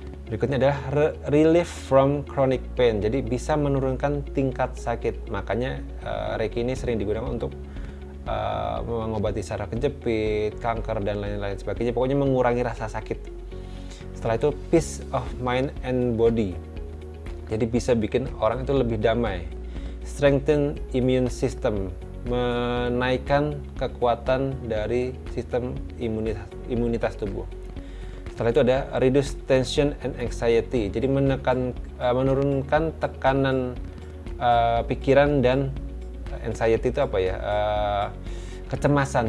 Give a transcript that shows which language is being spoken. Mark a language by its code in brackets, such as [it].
[id] Berikutnya adalah [en] relief from chronic pain. [id] Jadi bisa menurunkan tingkat sakit. Makanya Reiki ini sering digunakan untuk mengobati saraf kejepit, kanker, dan lain-lain sebagainya. Pokoknya mengurangi rasa sakit. Setelah itu, [en] peace of mind and body. [id] Jadi bisa bikin orang itu lebih damai. [en] Strengthen immune system. [id] Menaikkan kekuatan dari sistem imunitas tubuh. Setelah itu ada [en] reduce tension and anxiety. [id] Jadi menurunkan tekanan pikiran dan anxiety itu apa ya? Kecemasan.